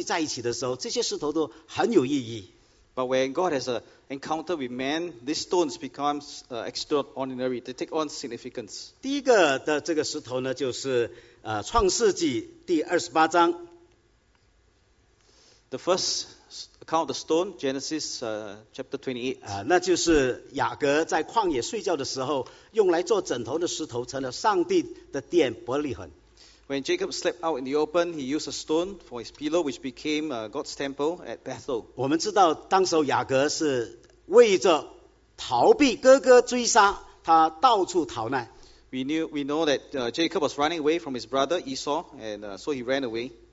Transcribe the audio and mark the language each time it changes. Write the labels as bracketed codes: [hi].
[zh] 但是在圣经里面，当它成为上帝与人有这个故事关系在一起的时候，这些石头都很有意义。 [en] But when God has an encounter with man, these stones become extraordinary. They take on significance. [zh] 第一个的这个石头呢，就是创世纪第28章。 [en] The first account of the stone, Genesis chapter 28. [zh] 那就是雅各在旷野睡觉的时候用来做枕头的石头成了上帝的殿伯利恒。 [en] When Jacob slept out in the open, he used a stone for his pillow, which became God's temple at Bethel. [zh] 我们知道当时雅各是为着逃避哥哥追杀，他到处逃难。 [en] We know that Jacob was running away from his brother Esau, and so he ran away.